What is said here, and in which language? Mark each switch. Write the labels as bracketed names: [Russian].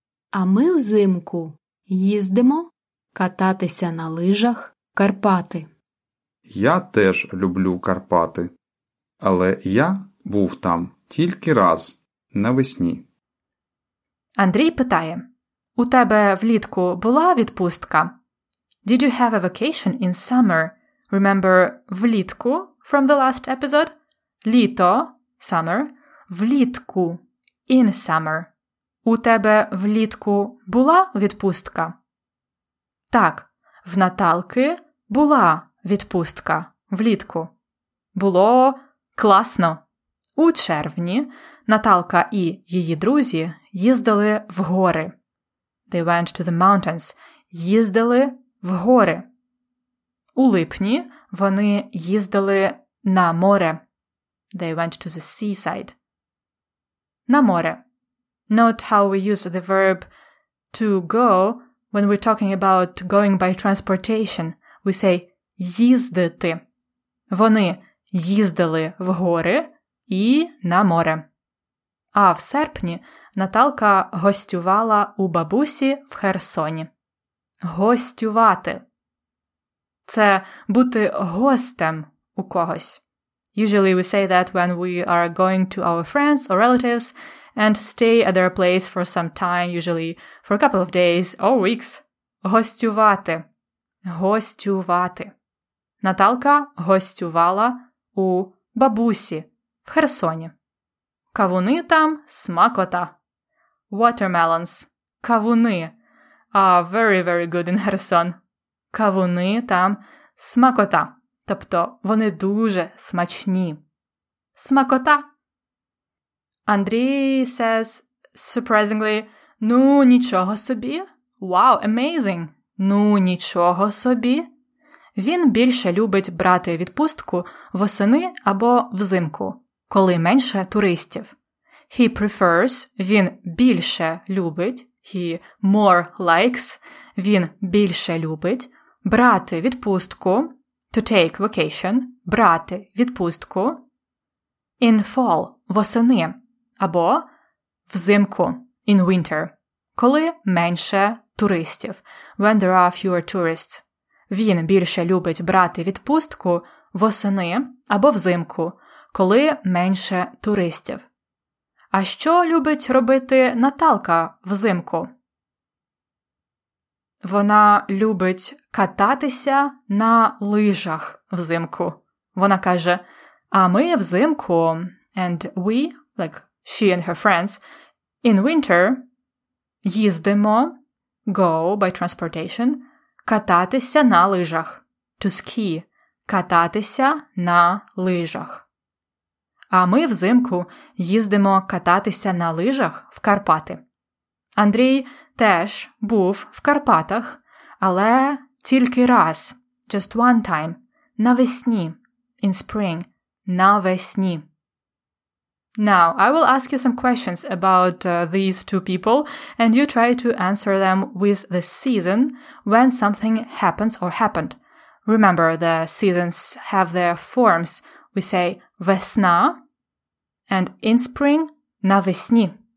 [Ukrainian] А ми взимку їздимо кататися на лижах в Карпати. Я теж люблю Карпати, але я був там тільки раз навесні. Андрій питає, у тебе влітку була відпустка? [English] Did you have a vacation in summer? Remember влітку from the last episode? Літо, summer, влітку, in summer. [Ukrainian] У тебе влітку була відпустка? Так, в Наталки була відпустка влітку. Було класно. У червні Наталка і її друзі їздили в гори. [English] They went to the mountains. [Ukrainian] Їздили в гори. У липні вони їздили на море. [English] They went to the seaside. [Ukrainian] На море. [English] Note how we use the verb to go when we're talking about going by transportation. We say їздити. [Ukrainian] Вони їздили в гори і на море. А в серпні Наталка гостювала у бабусі в Херсоні. Гостювати. Це бути гостем у когось. [English] Usually we say that when we are going to our friends or relatives and stay at their place for some time, usually for a couple of days or weeks. [Ukrainian] Гостювати. Гостювати. Наталка гостювала у бабусі в Херсоні. Кавуни там смакота. Watermelons. [English] Кавуни are very, very good in Херсон. [Ukrainian] Кавуни там смакота. Тобто вони дуже смачні. Смакота. Андрій [English] says, surprisingly, [Ukrainian] ну, нічого собі. [English] Wow, amazing. [Ukrainian] Ну, нічого собі. Він більше любить брати відпустку восени або взимку, коли менше туристів. [English] He prefers, [Ukrainian] він більше любить, [English] he more likes, [Ukrainian] він більше любить брати відпустку, [English] to take vacation, [Ukrainian] брати відпустку, [English] in fall, [Ukrainian] восени. Або взимку, [English] in winter, [Ukrainian] коли менше туристів, [English] when there are fewer tourists. [Ukrainian] Він більше любить брати відпустку восени або взимку, коли менше туристів. А що любить робити Наталка взимку? Вона любить кататися на лижах взимку. Вона каже, а ми взимку, [English] and we, like she and her friends, in winter, їздимо, go by transportation, [Ukrainian] кататися на лижах, [English] to ski, кататися на лижах. [Ukrainian] А ми взимку їздимо кататися на лижах в Карпати. Андрій теж був в Карпатах, але тільки раз, [English] just one time, [Ukrainian] навесні, [English] in spring, [Ukrainian] навесні. [English] Now, I will ask you some questions about these two people, and you try to answer them with the season when something happens or happened. Remember, the seasons have their forms. We say весна, and in spring, навесні.